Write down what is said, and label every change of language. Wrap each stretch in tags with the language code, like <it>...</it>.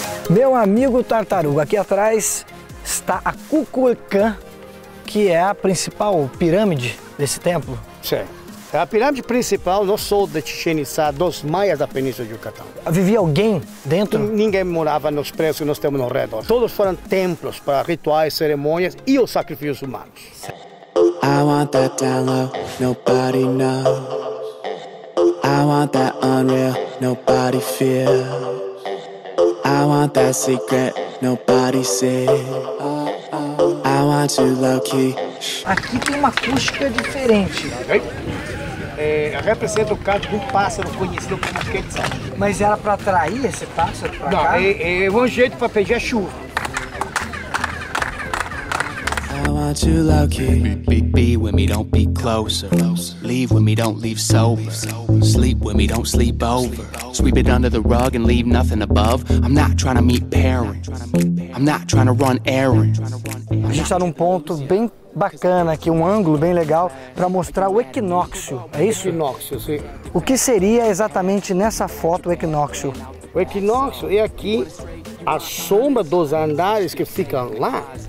<pt>Meu amigo tartaruga, aqui atrás está a Kukulkan, que é a principal pirâmide desse templo. Sim. É a pirâmide principal, não sou de Chichen Itza, dos maias da Península de Yucatán. Vivia alguém dentro? Ninguém morava nos prédios que nós temos ao redor. Todos foram templos para rituais, cerimônias e os sacrifícios humanos.</pt> <en>I want that down low, nobody knows. I want that unreal, nobody feels. I want that secret nobody said. I want you lucky.</en> <pt>Aqui tem uma acústica diferente. Okay. Representa o canto do pássaro conhecido como Quetzal. Mas era para atrair esse pássaro para cá? Não, é um jeito para pedir a chuva.</pt> <en>Too lucky. Be with me, don't be closer. Leave with me, don't leave sober. Sleep with me, don't sleep over. Sweep it under the rug and leave nothing above. I'm not trying to meet parents. I'm not trying to run errands.</en> <pt>A gente está num ponto bem bacana aqui, um ângulo bem legal para mostrar o equinócio. É isso? Equinócio, sim. O que seria exatamente nessa foto o equinócio? O equinócio é aqui a sombra dos andares que ficam lá.</pt>